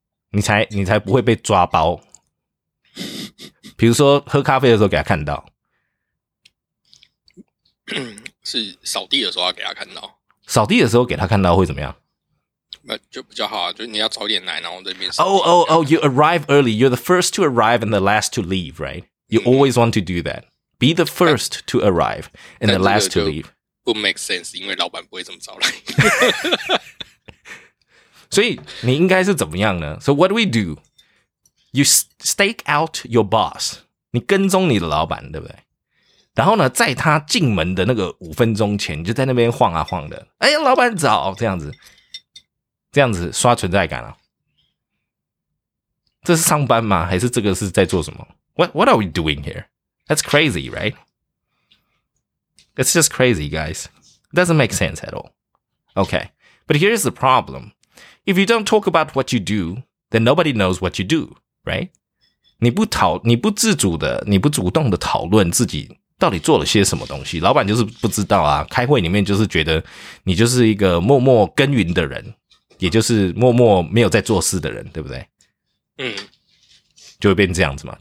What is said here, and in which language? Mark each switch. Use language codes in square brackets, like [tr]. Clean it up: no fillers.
[zh] 你才不会被抓包。比如说喝咖啡的时候给他看到，是扫地的时候要给他看到。扫地的时候给他看到会怎么样？就比较好啊，就你要早点来，然后这边。 [en] You arrive early. You're the first to arrive and the last to leave, right? You always want to do that. Be the first to arrive and the last to leave. [zh] 不 [en] make sense， [zh] 因为老板不会这么早来。所以你应该是怎么样呢 [en] ？So what do we do? You stake out your boss. [zh] 你跟踪你的老板，对不对？然后呢，在他进门的那个五分钟前，你就在那边晃啊晃的。老板早，这样子。这样子刷存在感啊，这是上班吗？还是这个是在做什么 [en] ？What are we doing here? That's crazy, right? It's just crazy, guys. It doesn't make sense at all. Okay, but here's the problem. If you don't talk about what you do, then nobody knows what you do, right? [zh] 你不主动的讨论自己到底做了些什么东西，老板就是不知道啊。开会里面就是觉得你就是一个默默耕耘的人。也就是默默没有在做事的人，对不对？就会变这样子嘛。